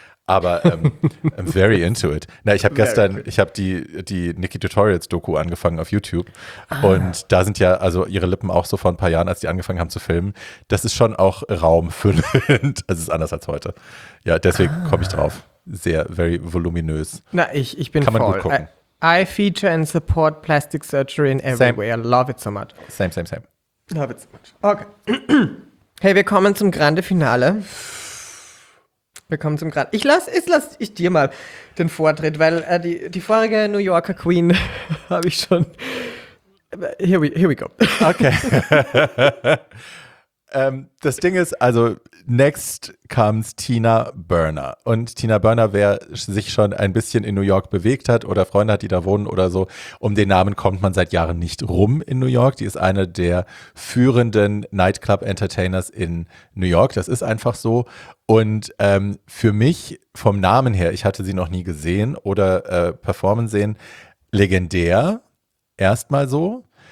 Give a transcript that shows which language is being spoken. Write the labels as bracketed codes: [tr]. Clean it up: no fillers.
[de] Aber [en] I'm very into it. [de] Na, ich habe gestern, ich habe die Nikki Tutorials-Doku angefangen auf YouTube. Und da sind ja also ihre Lippen auch so vor ein paar Jahren, als die angefangen haben zu filmen. Das ist schon auch raumfüllend. Also es ist anders als heute. Ja, deswegen komme ich drauf. Sehr, very voluminös. Na, ich bin voll. Kann man gut gucken. [en] I feature and support plastic surgery in everywhere. I love it so much. Same. Love it so much. Okay. [de] Hey, wir kommen zum Grande Finale. Willkommen zum Grad. Ich lass dir mal den Vortritt, weil die vorige New Yorker Queen habe ich schon. [en] Here we go. [de] Okay. Das Ding ist, also next comes Tina Burner. Und Tina Burner, wer sich schon ein bisschen in New York bewegt hat oder Freunde hat, die da wohnen oder so, um den Namen kommt man seit Jahren nicht rum in New York. Die ist eine der führenden Nightclub-Entertainers in New York. Das ist einfach so. Und für mich vom Namen her, ich hatte sie noch nie gesehen oder performen sehen, legendär erstmal so.